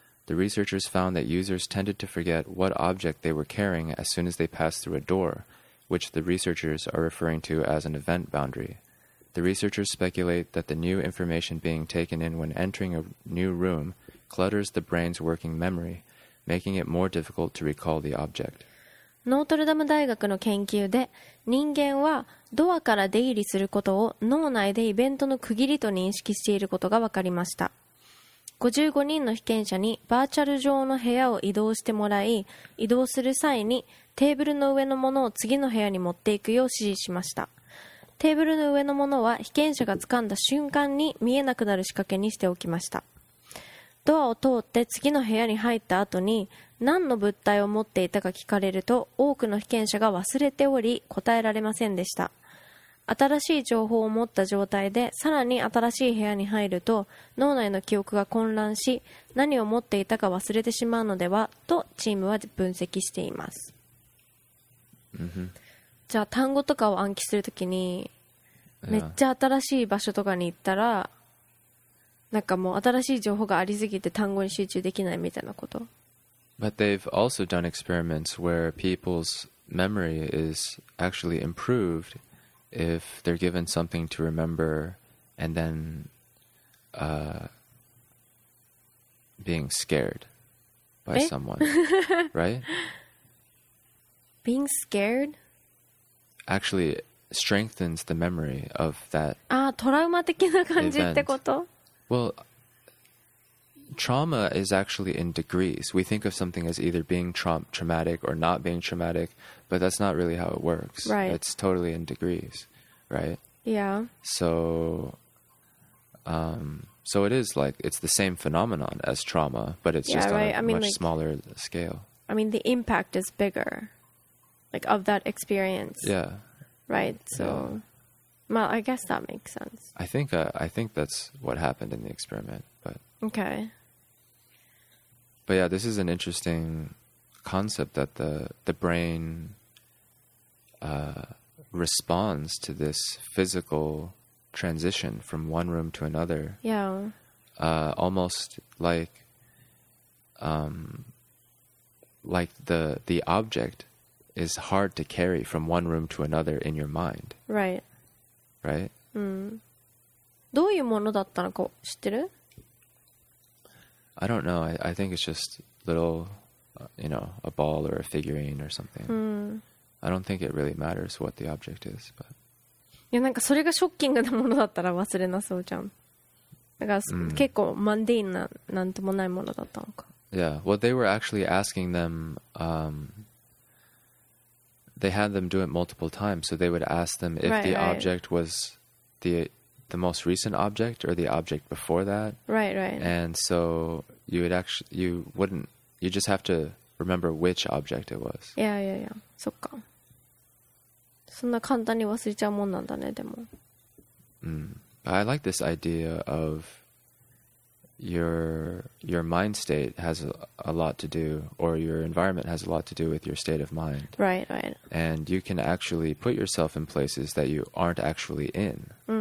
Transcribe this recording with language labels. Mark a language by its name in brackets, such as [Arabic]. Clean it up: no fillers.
[English] The researchers found that users tended to forget what object they were carrying as soon as they passed through a door, which the researchers are referring to as an event boundary. The researchers speculate that the new information being taken in when entering a new room clutters the brain's working memory, making it more difficult to recall the object. [Japanese] ノートルダム大学の研究で人間はドアから出入りすることを脳内でイベントの区切りと認識していることが分かりました。 55人の被験者にバーチャル上の部屋を移動してもらい、移動する際にテーブルの上のものを次の部屋に持っていくよう指示しました。テーブルの上のものは被験者が掴んだ瞬間に見えなくなる仕掛けにしておきました。ドアを通って次の部屋に入った後に何の物体を持っていたか聞かれると多くの被験者が忘れており答えられませんでした。新しい情報を持った状態でさらに新しい部屋に入ると脳内の記憶が混乱し何を持っていたか忘れてしまうのではとチームは分析しています。 mm-hmm. じゃあ単語とかを暗記するときにめっちゃ新しい場所とかに行ったらなんかもう新しい情報がありすぎて単語に集中できないみたいなこと。 [English] But they've also done experiments where people's memory is actually improved if they're given something to remember and then being scared by someone, right? Being scared? Actually strengthens the memory of that. [Japanese] Ah, トラウマ的な感じってこと? [English] Well,Trauma is actually in degrees. We think of something as either being traumatic or not being traumatic, but that's not really how it works. Right. It's totally in degrees, right? Yeah. So it is like, it's the same phenomenon as trauma, but it's just on a much smaller scale. I mean, the impact is bigger, like of that experience. Yeah. Right. So, yeah. Well, I guess that makes sense. I think that's what happened in the experiment, but... Okay. But yeah, this is an interesting concept that the brain responds to this physical transition from one room to another. Yeah. Almost like the object is hard to carry from one room to another in your mind. Right. Right? Mm. [Japanese] どういうものだったのか知ってる? [English] I don't know. I think it's just little, you know, a ball or a figurine or something. Mm. I don't think it really matters what the object is. But... [Japanese] Yeah, なんかそれがショッキングなものだったら忘れなそうじゃん。だから結構マンディーンななんともないものだったのか。 [English] Yeah, well, they were actually asking them, they had them do it multiple times, so they would ask them if the object was the most recent object or the object before that. Right, right. And so you would actually, you wouldn't, you just have to remember which object it was. Yeah, yeah, yeah. [Japanese] そっか。そんな簡単に忘れちゃうもんなんだね、でも。 [English] I like this idea of your mind state has a lot to do, or your environment has a lot to do with your state of mind. Right, right. And you can actually put yourself in places that you aren't actually in.